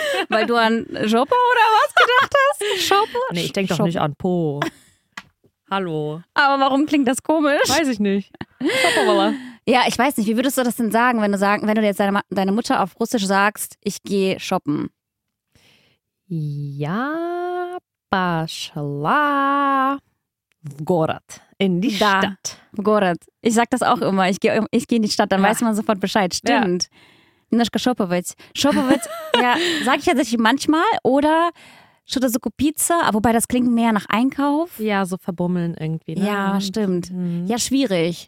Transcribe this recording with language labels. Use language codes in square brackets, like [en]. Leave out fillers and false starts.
[de] Weil du an Shopper oder was gedacht hast? Shopper? Nee, ich denke doch nicht an Po. Hallo. Aber warum klingt das komisch? Weiß ich nicht. Shoppevola. Ja, ich weiß nicht, wie würdest du das denn sagen, wenn du jetzt deine Mutter auf Russisch sagst, ich gehe shoppen? [ru] Ja, пошла в город. [de] In die Stadt. [ru] В город. [de] Ich sag das auch immer, ich geh in die Stadt, dann weiß man sofort Bescheid. Stimmt. [ru] Немножко [de] shoppen. Ja, sag ich tatsächlich manchmal. Oder [ru] что-то закупиться, [de] wobei das klingt mehr nach Einkauf. Ja, so verbummeln irgendwie. Ne? Ja, stimmt. Mhm. Ja, schwierig.